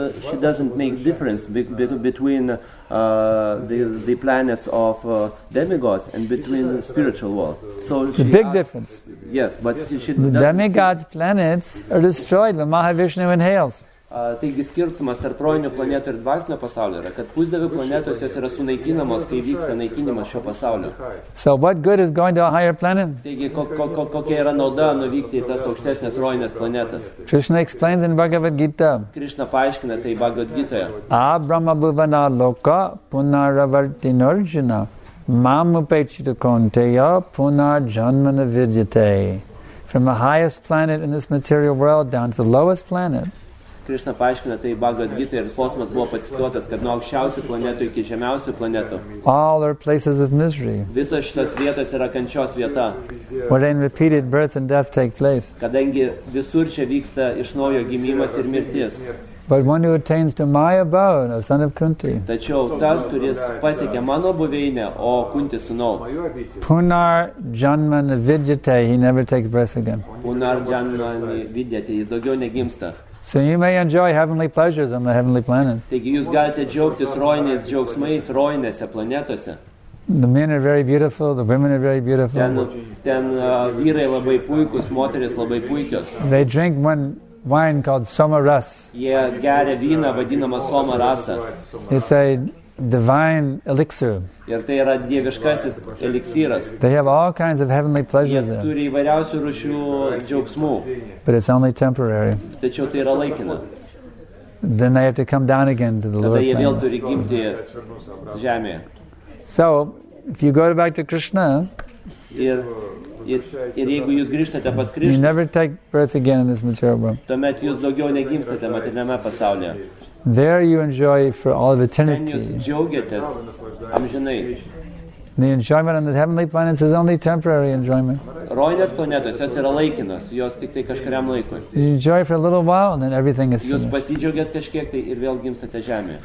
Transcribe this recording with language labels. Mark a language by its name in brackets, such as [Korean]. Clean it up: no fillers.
[English] She doesn't make difference between the planets of demigods and between the spiritual world. So the big asks, difference. Yes, but she the demigods' planets are destroyed when Mahavishnu inhales. [Lithuanian] Taigi skirtumas tarp rojinių planetų ir dvasinio pasaulio yra, kad pusdievių planetos jos yra sunaikinamos, kai vyksta naikinimas šio pasaulio. [English] So what good is going to a higher planet? [Lithuanian] Taigi kokia yra nauda nuvykti į tas aukštesnės rojinės planetas? [English] Krishna explains in Bhagavad Gita. [Lithuanian] Krishna paaiškina tai Bhagavad Gita. [Sanskrit] A Brahma Bhuvana Loka Punaravartinarjuna Mam Upechita Konteya Punarjanmana Vidyate. [English] From the highest planet in this material world down to the lowest planet. [Lithuanian] Krishna paaiškina tai Bhagavad Gita ir posmas buvo pacituotas, kad nuo aukščiausių planetų iki žemiausių planetų. [English] All are places of misery. [Lithuanian] Visos šitas vietos yra kančios vieta. [English] Wherein repeated birth and death take place. [Lithuanian] Kadangi visur čia vyksta iš naujo gimimas ir mirtis. [English] But one who attains to my abode, a son of Kunti. [Lithuanian] Tačiau tas, kuris pasiekia mano buveinę, o Kunti sūnau. [Sanskrit] Punar janmani vidyate, [English] he never takes breath again. [Sanskrit] Punar janmani vidyate, [Lithuanian] jis daugiau negimsta. [English] So you may enjoy heavenly pleasures on the heavenly planet. [Lithuanian] Taigi jūs galite džiaugtis rojinės džiaugsmais rojinėse planetose. [English] The men are very beautiful, the women are very beautiful. [Lithuanian] Ten vyrai labai puikūs, moterys labai puikios. [English] They drink one wine called Somaras. [Lithuanian] Jie geria vyną vadinamą Somarasa. [English] It's a divine elixir. [Lithuanian] Ir tai yra dieviškasis eliksyras. [English] They have all kinds of heavenly pleasures. [Lithuanian] Jie turi įvairiausių rūšių džiaugsmų. [English] But it's only temporary. [Lithuanian] Tačiau tai yra laikina. [English] Then they have to come down again to the lower. [Lithuanian] Tada jie vėl turi gimti žemėje. [English] So, if you go back to Krishna, [Lithuanian] ir jeigu jūs grįžtate pas Krishna, [English] you never take birth again in this material world. [Lithuanian] Tuomet jūs daugiau negimstate materialiame pasaulyje. [English] There you enjoy for all of eternity. The enjoyment on the heavenly planets is only temporary enjoyment. You enjoy for a little while and then everything is finished.